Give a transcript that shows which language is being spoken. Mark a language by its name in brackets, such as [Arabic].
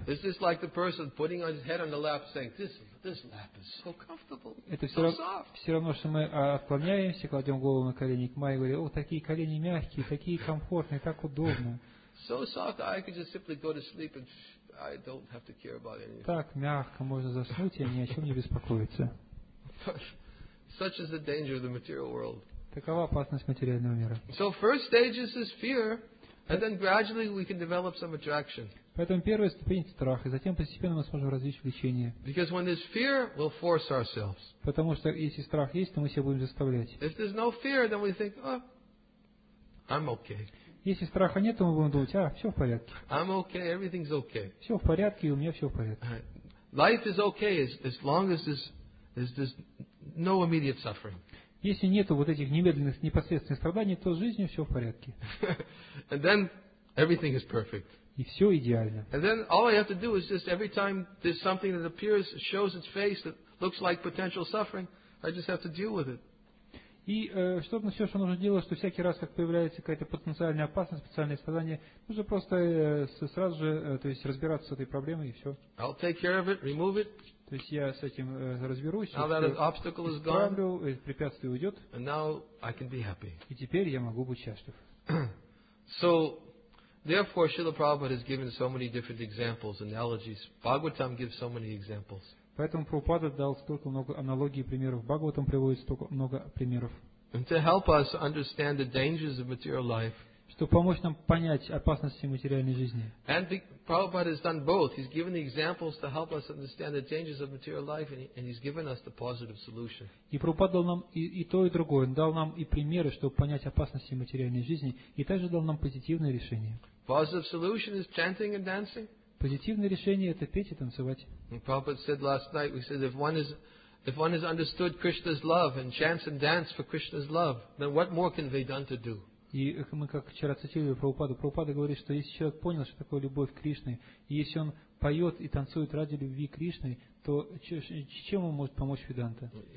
[English] This is like the person putting his head on the lap saying, this lap is so comfortable, so soft. [Russian] Все равно, что мы отклоняемся, кладем голову на колени к Майе и говорим, о, такие колени мягкие, такие комфортные, так удобно. [English] So soft, I could just simply go to sleep and I don't have to care about anything. [Russian] Так мягко можно заснуть, я ни о чем не беспокоиться. [English] Such is the danger of the material world. [Russian] Такова опасность материального мира. [English] So first stage is this fear, and then gradually we can develop some attraction. [Russian] Поэтому первая ступень это страх, и затем постепенно мы сможем развить влечение. [English] Because when there's fear, we'll force ourselves. [Russian] Потому что если страх есть, то мы себя будем заставлять. [English] If there's no fear, then we think, oh, I'm okay. [Russian] Если страха нет, то мы будем думать, а, все в порядке. [English] I'm okay, everything's okay. [Russian] Все в порядке, и у меня все в порядке. [English] Life is okay as long as there's no immediate suffering. [Russian] Если нету вот этих немедленных, непосредственных страданий, то с жизнью все в порядке. [English] And then everything is perfect. [Russian] И все идеально. [English] And then all I have to do is just every time there's something that appears, shows its face, that looks like potential suffering, I just have to deal with it. [Russian] И все, что нужно делать, что всякий раз, как появляется какая-то потенциальная опасность, специальное испытание, нужно просто сразу же то есть разбираться с этой проблемой и все. [English] I'll take care of it, remove it, [Russian] То есть я с этим разберусь, [English] now that obstacle is gone, [Russian] препятствие уйдет, [English] and now I can be happy. [Russian] И теперь я могу быть счастлив. [English] So, therefore, Srila Prabhupada has given so many different examples, analogies. Bhagavatam gives so many examples. [Russian] Поэтому Прабхупада дал столько много аналогий и примеров. Бхагаватам приводит столько много примеров. [English] And to help us understand the dangers of material life, [Russian] чтобы помочь нам понять опасности материальной жизни. [English] And Prabhupada has done both. He's given the examples to help us understand the dangers of material life, and he's given us the positive solution. [Russian] И Прабхупада дал нам и то, и другое. Он дал нам и примеры, чтобы понять опасности материальной жизни, и также дал нам позитивное решение. [English] Positive solution is chanting and dancing. [Russian] Позитивное решение – это петь и танцевать. [English] And Prabhupada said last night, we said, if one has understood Krishna's love and chants and dance for Krishna's love, then what more can Vedanta do? [Russian] И мы как вчера цитировали Прабхупаду, Прабхупада говорит, что если человек понял, что такое любовь к Кришне, и если он поет и танцует ради любви к Кришне, то чем он может помочь Веданта?